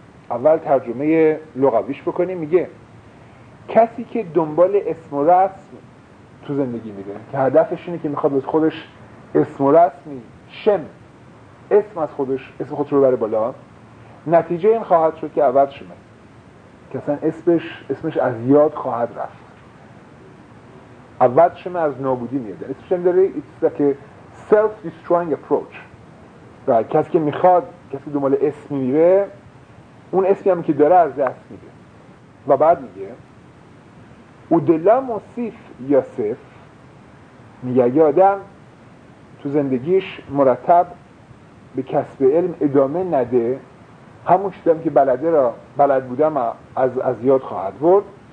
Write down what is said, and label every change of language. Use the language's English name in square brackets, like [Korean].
[Persian] اول ترجمه لغویش بکنیم، میگه کسی که دنبال اسم و رسم تو زندگی میره، که هدفش اینه که میخواد از خودش اسم و رسمی، شم، اسم از خودش، اسم خودش رو بره بالا، نتیجه این خواهد شد که عوض شمه، که اصلا اسمش از یاد خواهد رفت. عوض شمه از نابودی میاد. اسمش هم داره [English] it's like a self-destroying approach. right. [Persian] کسی که میخواد کسی دنبال اسمی میره، اون اسمی هم که داره از دست میده. و بعد میگه او دلا موسیف یاسف، میگه یادم تو زندگیش مرتب به کسب علم ادامه نده، همون چیزی که بلده را بلد بودم از یاد خواهد برد.